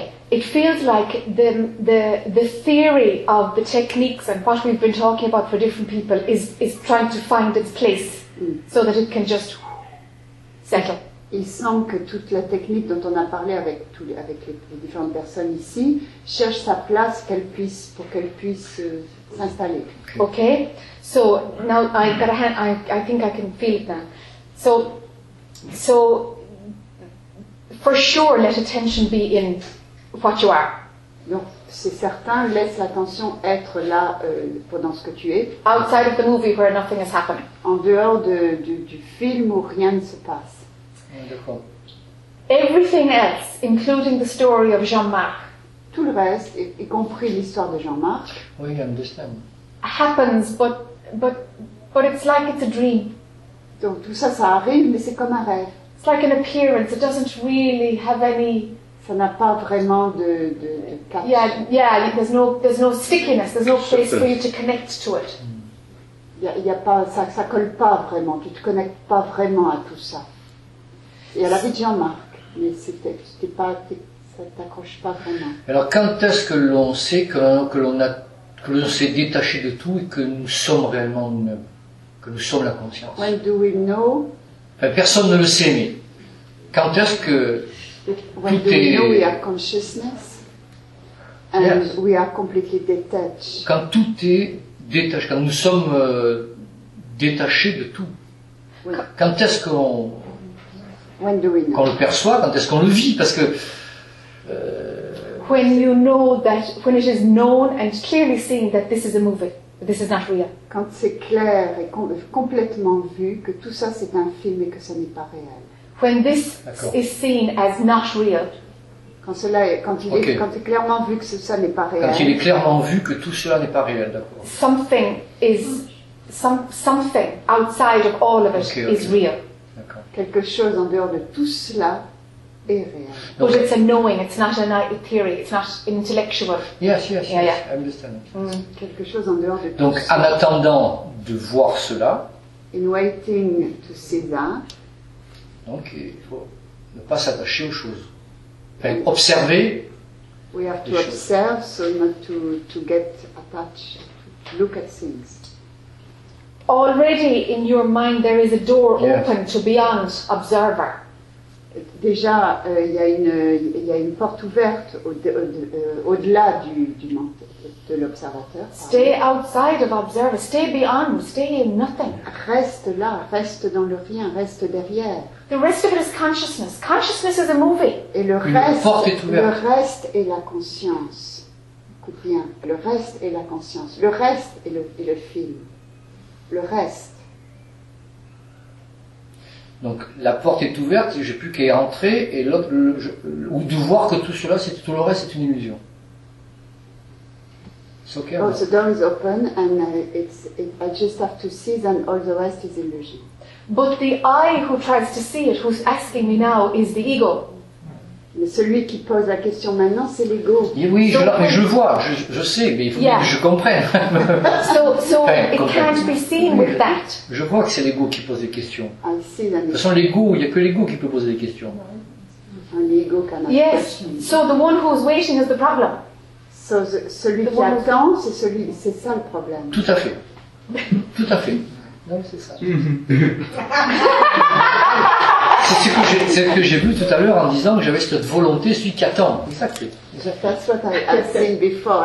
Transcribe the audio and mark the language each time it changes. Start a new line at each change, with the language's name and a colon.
English: It feels like the theory of the techniques and what we've been talking about for different people is trying to find its place, so that it can just settle.
French: Il semble que toute la technique dont on a parlé avec les différentes personnes ici cherche sa place pour qu'elle puisse s'installer.
English: Okay. So now I got a hand. I think I can feel it now. So, for sure, let attention be in what you are.
French: Donc, c'est certain, laisse l'attention être là pendant ce que tu es.
English: Outside of the movie where nothing is happening.
French: En dehors du film où rien ne se passe.
English: Wonderful. Everything else, including the story of Jean-Marc.
French: Tout le reste, y compris l'histoire de Jean-Marc.
English: Oui, I understand. Happens, but it's like it's a dream.
French: Donc tout ça, ça arrive, mais c'est comme un rêve.
English: It's like an appearance. It doesn't really have any.
French: Ça n'a pas vraiment de
English: catch. Yeah. There's no stickiness. There's no place for you to connect to it.
French: Ça colle pas vraiment. Tu te connectes pas vraiment à tout ça. Et à la vie de Jean-Marc, mais ça t'accroche pas vraiment. Alors quand est-ce que l'on sait que l'on s'est détaché de tout et que nous sommes réellement nous-mêmes? Que nous sommes la conscience.
English: When do we know?
French: Enfin, personne ne le sait, mais quand est-ce que
English: when
French: tout
English: do
French: est...
English: we know we are consciousness and yes. We are completely detached.
French: Quand tout est détaché, quand nous sommes détachés de tout. Oui. Quand est-ce qu'on
English: when do we know?
French: Qu'on le perçoit, quand est-ce qu'on le vit, parce que
English: when you know that when it is known and clearly seen that this is a movie. This is not real.
French: Quand c'est clair et complètement vu que tout ça c'est un film et que ça n'est pas réel.
English: When this
French: d'accord.
English: Is seen as not real.
French: Quand il est clairement vu que ça n'est pas réel. Quand il est clairement vu que tout cela n'est pas réel, d'accord.
English: Something is something outside of all of it is real.
French: D'accord. Quelque chose en dehors de tout cela.
English: But it's a knowing, it's not a theory, it's not an intellectual. Yes. I understand.
French: Quelque chose en dehors de tout. Donc, en attendant de voir cela,
English: in waiting to see that,
French: donc il faut ne pas s'attacher aux choses. Enfin, observer.
English: We have to observe so not to get attached, to look at things. Already in your mind there is a door open to beyond observer.
French: Déjà, il y a une porte ouverte au-delà du monde de l'observateur.
English: Stay outside of observer. Stay beyond. Stay in nothing.
French: Reste là. Reste dans le rien. Reste derrière.
English: The rest of it is consciousness. Consciousness is a movie.
French: Et le reste est la conscience. Écoute bien. Le reste est la conscience. Le reste est le film. Le reste. Donc la porte est ouverte, j'ai plus qu'à y entrer et l'autre ou de voir que tout cela, c'est tout le reste, c'est une illusion. C'est okay.
English: Oh, the door is open and I just have to see that all the rest is illusion. But the I who tries to see it, who's asking me now, is the ego.
French: Mais celui qui pose la question maintenant, c'est l'ego. Et oui, je vois, je sais, mais il faut que je comprenne.
English: Can't be seen with that.
French: Je vois que c'est l'ego qui pose les questions.
English: I see that.
French: De toute façon, l'ego, il n'y a que l'ego qui peut poser les questions.
English: L'ego can ask questions. So the one who's waiting is the problem.
French: So celui qui attend, c'est ça le problème. Tout à fait. Tout à fait. Non, c'est ça. C'est ce que j'ai vu tout à l'heure en disant que j'avais cette volonté, celui qui attend.
English: That's what I've seen before.